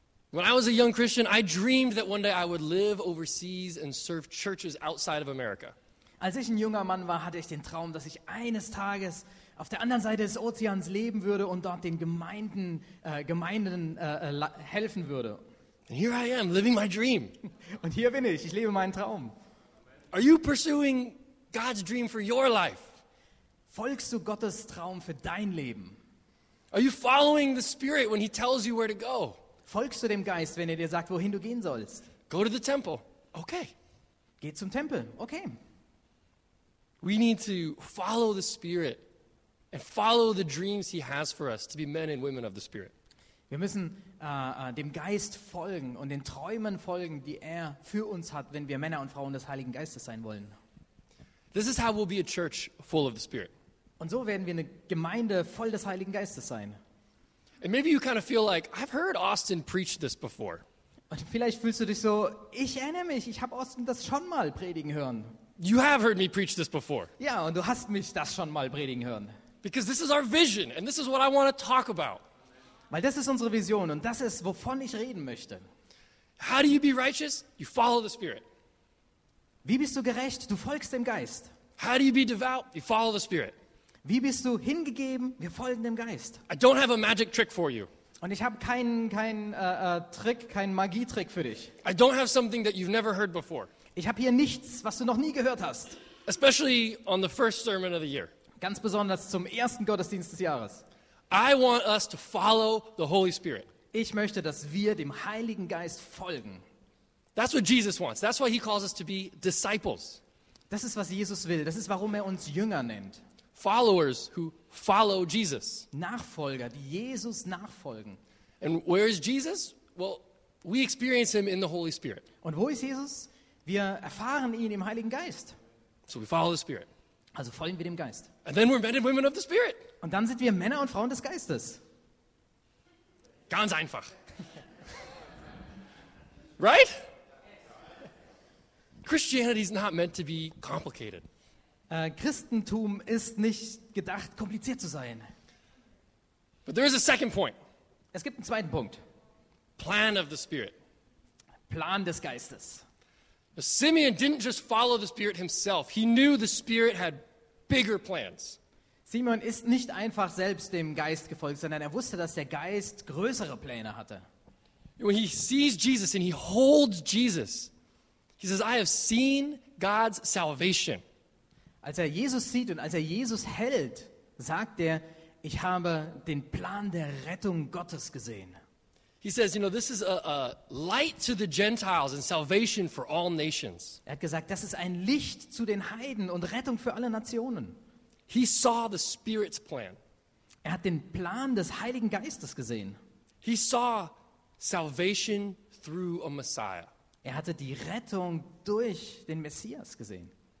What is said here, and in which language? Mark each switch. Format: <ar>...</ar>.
<en>When I was a young Christian, I dreamed that one day I would live overseas and serve churches outside of America.</en> <de>Als ich ein junger Mann war, hatte ich den Traum, dass ich eines Tages auf der anderen Seite des Ozeans leben würde und dort den Gemeinden helfen würde.</de> <en>And here I am, living my dream.</en> <de>Und hier bin ich lebe meinen Traum.</de> <en>Are you pursuing God's dream for your life?</en> <de>Folgst du Gottes Traum für dein Leben?</de> <en>Are you following the Spirit when he tells you where to go?</en> <de>Folgst du dem Geist, wenn er dir sagt, wohin du gehen sollst?</de> <en>Go to the temple. Okay.</en> <de>Geh zum Tempel. Okay.</de> <en>We need to follow the Spirit and follow the dreams he has for us to be men and women of the Spirit.</en> <de>Wir müssen dem Geist folgen und den Träumen folgen, die er für uns hat, wenn wir Männer und Frauen des Heiligen Geistes sein wollen.</de> <en>This is how we'll be a church full of the Spirit.</en> <de>Und so werden wir eine Gemeinde voll des Heiligen Geistes sein.</de> <en>And maybe you kind of feel like, I've heard Austin preach this before.</en> <de>Und vielleicht fühlst du dich so, ich erinnere mich, ich habe Austin das schon mal predigen hören.</de> <en>You have heard me preach this before.</en> <de>Ja, und du hast mich das schon mal predigen hören.</de> <en>Because this is our vision and this is what I want to talk about.</en> <de>Weil das ist unsere Vision und das ist, wovon ich reden möchte.</de> <en>How do you be righteous? You follow the Spirit.</en> <de>Wie bist du gerecht? Du folgst dem Geist.</de> <en>How do you be devout? You follow the Spirit.</en> <de>Wie bist du hingegeben? Wir folgen dem Geist.</de> <en>I don't have a magic trick for you.</en> <de>Und ich habe keinen Magietrick für dich.</de> <en>I don't have something that you've never heard before.</en> <de>Ich habe hier nichts, was du noch nie gehört hast.</de> <en>Especially on the first sermon of the year.</en> <de>Ganz besonders zum ersten Gottesdienst des Jahres.</de> <en>I want us to follow the Holy Spirit.</en> <de>Ich möchte, dass wir dem Heiligen Geist folgen.</de> <en>That's what Jesus wants. That's why he calls us to be disciples.</en> <de>Das ist, was Jesus will. Das ist, warum er uns Jünger nennt.</de> <en>Followers who follow Jesus.</en> <de>Nachfolger, die Jesus nachfolgen.</de> <en>And where is Jesus? Well, we experience him in the Holy Spirit.</en> <de>Und wo ist Jesus? Wir erfahren ihn im Heiligen Geist.</de> <en>So we follow the Spirit.</en> <de>Also folgen wir dem Geist.</de> <en>And then we're men and women of the Spirit.</en> <de>Und dann sind wir Männer und Frauen des Geistes. Ganz einfach.</de> <en>Right? Christianity is not meant to be complicated.</en> <de>Christentum ist nicht gedacht, kompliziert zu sein.</de> <en>But there is a second point.</en> <de>Es gibt einen zweiten Punkt.</de> <en>Plan of the Spirit.</en> <de>Plan des Geistes.</de> <en>But Simeon didn't just follow the Spirit himself. He knew the Spirit had bigger plans.</en> <de>Simeon ist nicht einfach selbst dem Geist gefolgt, sondern er wusste, dass der Geist größere Pläne hatte.</de> <en>When he sees Jesus and he holds Jesus, he says, I have seen God's salvation.</en> <de>Als er Jesus sieht und als er Jesus hält, sagt er, ich habe den Plan der Rettung Gottes gesehen.</de> <en>He says, you know, this is a light to the Gentiles and salvation for all nations.</en> <de>Er hat gesagt, das ist ein Licht zu den Heiden und Rettung für alle Nationen.</de> <en>He saw the Spirit's plan.</en> <de>Er hat den Plan des Heiligen Geistes gesehen.</de> <en>He saw salvation through a Messiah.</en> <de>Er hatte die Rettung durch den Messias gesehen.</de>